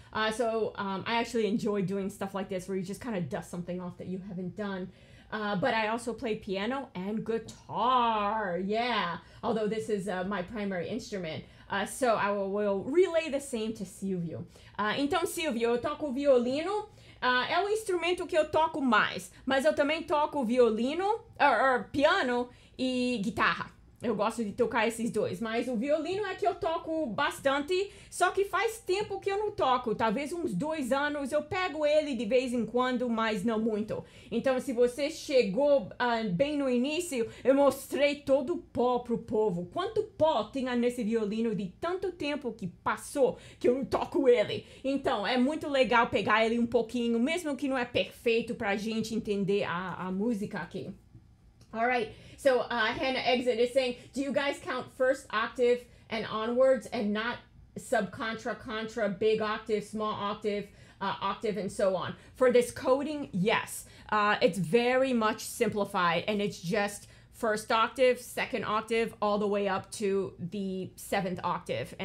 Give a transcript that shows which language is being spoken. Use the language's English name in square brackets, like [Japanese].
[English] I actually enjoy doing stuff like this where you just kind of dust something off that you haven't done. But I also play piano and guitar, yeah. Although this is my primary instrument. So I will relay the same to Silvio. [Portuguese] Então, Silvio, eu toco violino. É o instrumento que eu toco mais. Mas eu também toco violino, or piano e guitarra. Eu gosto de tocar esses dois. Mas o violino é que eu toco bastante. Só que faz tempo que eu não toco. Talvez uns 2 anos. Eu pego ele de vez em quando, mas não muito. Então, se você chegou bem no início, eu mostrei todo o pó pro povo. Quanto pó tinha nesse violino de tanto tempo que passou que eu não toco ele. Então, é muito legal pegar ele um pouquinho. Mesmo que não é perfeito pra gente entender a música aqui. [English] Alright. So Hannah Exit is saying, do you guys count first octave and onwards and not subcontra, contra, big octave, small octave, octave, and so on? For this coding, yes. It's very much simplified, and it's just first octave, second octave, all the way up to the 7th octave.